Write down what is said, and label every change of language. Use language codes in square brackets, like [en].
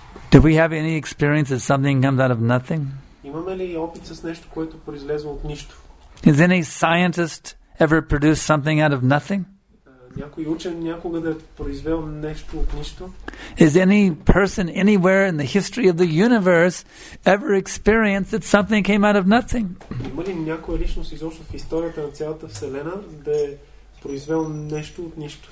[en] Do we have any experience that something comes out of nothing? [bg] Имаме ли опит с нещо, което произлезе от нищо? [en] Has any scientist ever produced something out of nothing? [bg] Някой учен някога да е произвел нещо от нищо? [en] Has any person anywhere in the history of the universe ever experienced that something came out of nothing? [bg] Има ли някоя личност изобщо в историята на цялата вселена да е произвел нещо от нищо?